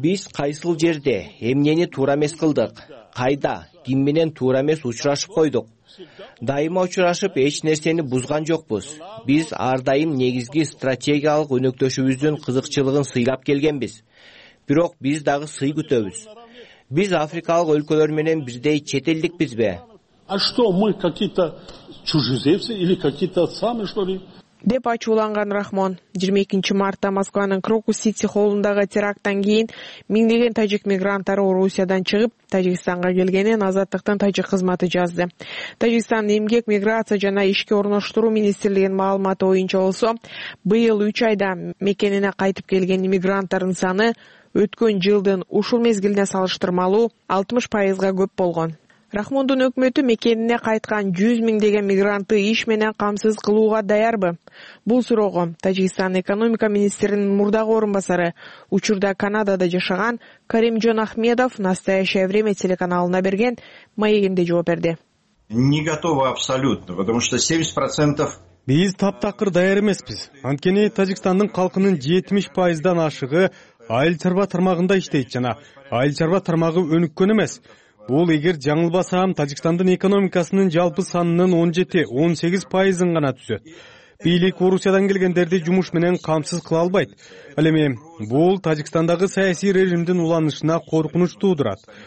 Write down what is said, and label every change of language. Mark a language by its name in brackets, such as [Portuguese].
[Kyrgyz] Биз кайсыл жерде эмнени туура эмес кылдык? Кайда ким менен туура эмес учурашып койдук? Дайыма учурашып эч нерсени бузган жокпуз. Биз ар дайым негизги стратегиялык өнөктөшүбүздүн кызыкчылыгын сыйлап келгенбиз. Бирок биз дагы сый күтөбүз. Биз африкалык өлкөлөр менен бирдей чет элдикпизби? [Russian] А что мы какие-то чужеземцы или какие-то самые что ли? [Kyrgyz] Деп ачууланган Рахмон 22 мартта Москванын Крокус Сити холундагы терактан кийин миңдеген тажик мигранттары Орусиядан чыгып Тажикстанга келгенин Азаттыктын тажик кызматы жазды. Тажикстандын эмгек миграция жана ишке орноштуруу министрлигинин маалыматы боюнча болсо, быйыл 3 айда мекенине кайтып келген мигранттардын саны өткөн жылдын ушул мезгилине салыштырмалуу 60% көп болгон. Рахмондун өкмөтү мекенине кайткан 100 000 мигрантты иш менен камсыз кылууга даярбы? Бул суроого Тажикстан экономика министринин мурдагы орун басары, учурда Канадада жашаган Каримжон Ахмедов Настоящее время телеканалына берген маегинде жооп берди. [Russian] Не готовы абсолютно, потому что 70% [Kyrgyz] биз таптакыр даяр эмеспиз. Анткени Тажикстандын калкынын 70%дан ашыгы айыл чарба тармагында иштейт жана айыл чарба тармагы өнүккөн эмес. Бул эгер жаңылбасам Тажикстандын экономикасынын жалпы санынын 17-18% гана түзөт. Бийлик Орусиядан келгендерди жумуш менен камсыз кыла албайт. Ал эми бул Тажикстандагы саясий режимдин уланышына коркунуч туудурат.